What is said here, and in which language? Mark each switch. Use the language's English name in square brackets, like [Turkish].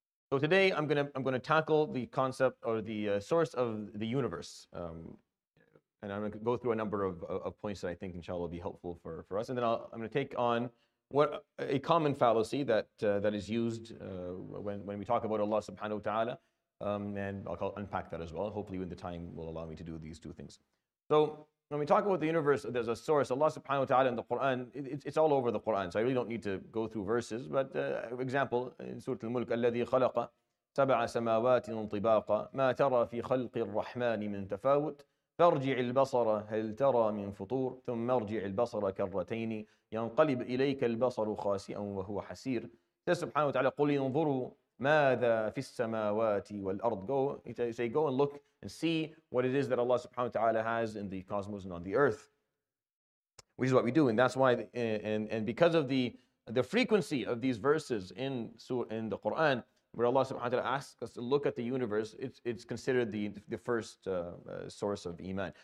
[English] So today I'm gonna tackle the concept or the source of the universe, and I'm gonna go through a number of points that I think inshallah will be helpful for us. And then I'm gonna take on what a common fallacy that is used when we talk about Allah subhanahu wa taala, and I'll unpack that as well. Hopefully, when the time will allow me to do these two things. So when we talk about the universe, there's a source. Allah subhanahu wa ta'ala in the Qur'an, it's all over the Qur'an, so I really don't need to go through verses, but example, in Surah Al-Mulk, [Arabic] الَّذِي خَلَقَ سَبْعَ سَمَاوَاتٍ طِبَاقًا مَا تَرَى فِي خَلْقِ الرَّحْمَنِ مِنْ تَفَاوُتٍ فَارْجِعِ الْبَصَرَ هَلْ تَرَى مِنْ فُطُورٍ ثُمَّ ارْجِعِ الْبَصَرَ كَرَّتَيْنِ يَنْقَلِبْ إِلَيْكَ الْبَصَرُ خَاسِئًا وَهُوَ حَسِيرٌ. Says subhanahu wa ta'ala, قُلْ يَنْظُرُوا مَاذَا فِي السَّمَاوَاتِ وَالْأَرْضِ. [English] Go and look and see what it is that Allah subhanahu wa ta'ala has in the cosmos and on the earth, which is what we do. And that's why, and because of the frequency of these verses in the Qur'an, where Allah subhanahu wa ta'ala asks us to look at the universe, it's considered the first source of Iman.